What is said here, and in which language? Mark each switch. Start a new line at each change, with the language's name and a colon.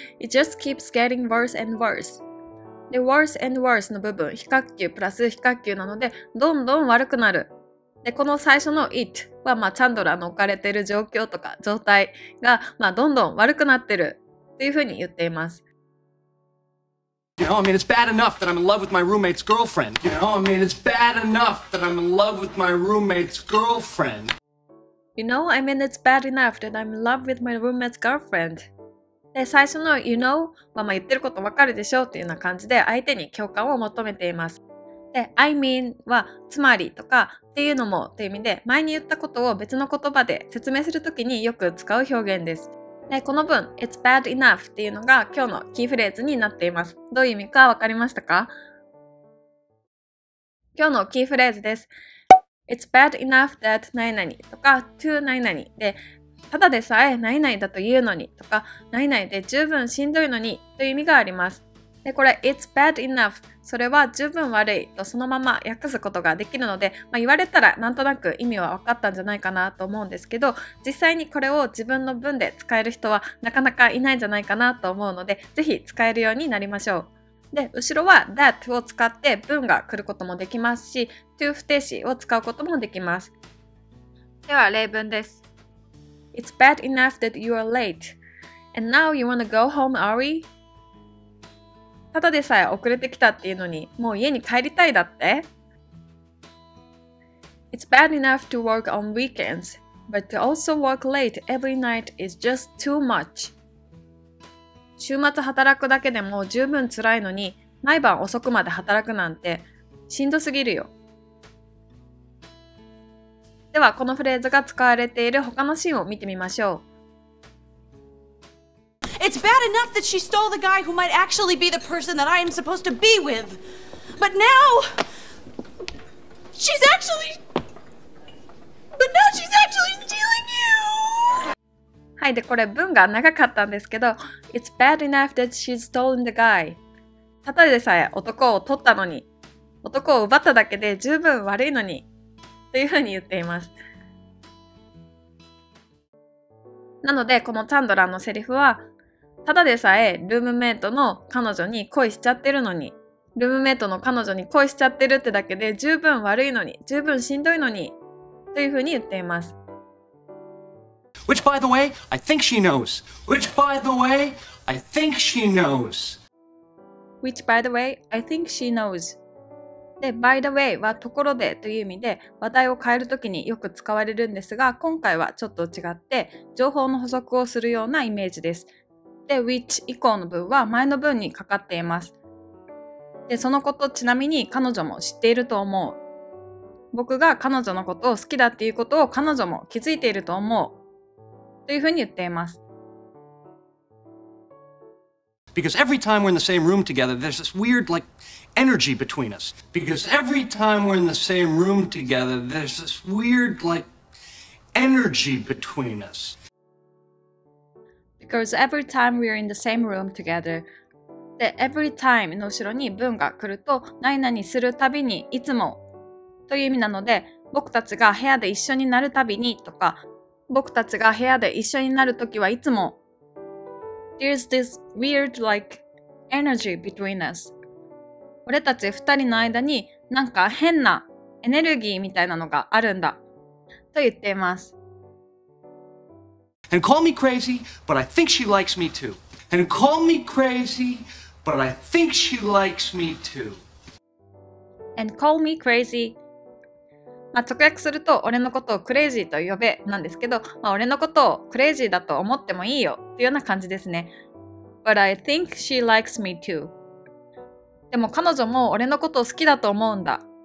English: It just keeps getting worse and worse.
Japanese: で、worse and worse の部分、比較級プラス比較級なので、どんどん悪くなる。で、この最初の it は、まあ、チャンドラの置かれている状況とか状態が、まあ、どんどん悪くなってるというふうに言っています。
English: You know, I mean, it's bad enough that I'm in love with my roommate's girlfriend. You know, I mean, it's bad enough that I'm in love with my roommate's girlfriend. You know, I mean, it's bad enough that I'm in love with my roommate's girlfriend.
Japanese: で、最初の
English: you know
Japanese: は、まあ、言ってることわかるでしょうというような感じで相手に共感を求めています。で、
English: I mean
Japanese: はつまりとかっていうのもっていう意味で、前に言ったことを別の言葉で説明するときによく使う表現です。で、この文、
English: It's bad enough
Japanese: っていうのが今日のキーフレーズになっています。どういう意味かわかりましたか？今日のキーフレーズです。
English: It's bad enough that
Japanese: 何々とか to 何々で、ただでさえ何々だというのにとか、何々で十分しんどいのにという意味があります。で、これ
English: It's bad enough、
Japanese: それは十分悪いとそのまま訳すことができるので、まあ、言われたらなんとなく意味は分かったんじゃないかなと思うんですけど、実際にこれを自分の文で使える人はなかなかいないんじゃないかなと思うので、ぜひ使えるようになりましょう。で、後ろは that を使って文が来ることもできますし、 to 不定詞を使うこともできます。では例文です。
English: It's bad enough that you are late and now you wanna go home early。
Japanese: ただでさえ遅れてきたっていうのにもう家に帰りたいだって。
English: It's bad enough to work on weekends but to also work late every night is just too much。
Japanese: 週末働くだけでも十分辛いのに、毎晩遅くまで働くなんてしんどすぎるよ。ではこのフレーズが使われている他のシーンを見てみましょう。
English: It's bad enough that she stole the guy who might actually be the person that I am supposed to be with. But now she's actually stealing you!
Japanese: はい、で、これ文が長かったんですけど、
English: It's bad enough that she's stolen the guy。
Japanese: たとえでさえ男を取ったのに、男を奪っただけで十分悪いのにというふうに言っています。なのでこのチャンドラーのセリフは、ただでさえルームメイトの彼女に恋しちゃってるのに、ルームメイトの彼女に恋しちゃってるってだけで十分悪いのに、十分しんどいのにというふうに言っています。
English: Which, by the way, I think she knows. Which, by the way, I think she knows. Which, by the way, I think she knows.
Japanese: で、by the way はところでという意味で、話題を変えるときによく使われるんですが、今回はちょっと違って、情報の補足をするようなイメージです。で、which 以降の文は前の文にかかっています。で、そのこと、ちなみに彼女も知っていると思う。僕が彼女のことを好きだっていうことを彼女も気づいていると思う。というふうに言っています。
English: Because every time we're in the same room together, there's this weird like energy between us. Because every time we're in the same room together, there's this weird like energy between us. Because every time we're in the same room together,
Japanese: で、every time の後ろに文が来ると、何々するたびにいつもという意味なので、僕たちが部屋で一緒になるたびにとか、僕たちが部屋で一緒になるときはいつも、
English: There's this weird like energy between us.
Japanese: 俺たち二人の間になんか変なエネルギーみたいなのがあるんだと言っています。
English: And call me crazy, but I think she likes me too. And call me crazy, but I think she likes me too. And call me crazy.
Japanese: まあ、直訳すると、俺のことをクレイジーと呼べなんですけど、まあ、俺のことをクレイジーだと思ってもいいよっていうような感じですね。
English: But I think she likes me too.
Japanese: でも彼女も俺のことを好きだと思うんだ。